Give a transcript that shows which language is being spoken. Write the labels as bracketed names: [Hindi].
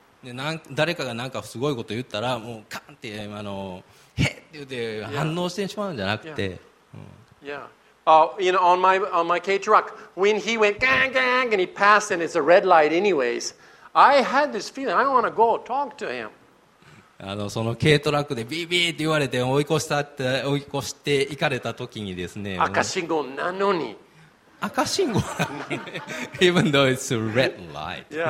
[Japanese] で誰かが何かすごいこと言ったらもうカンってへって言って反応してしまうんじゃなくて、 [English] On my K truck, when he went gang gang and he passed and it's a red light anyways, I had this feeling I want to go talk to him. [Japanese] その軽トラックでビービーって言われて追い越して行かれた時にですね、赤信号なのに、赤信号なのに、 [English] even though it's a red light.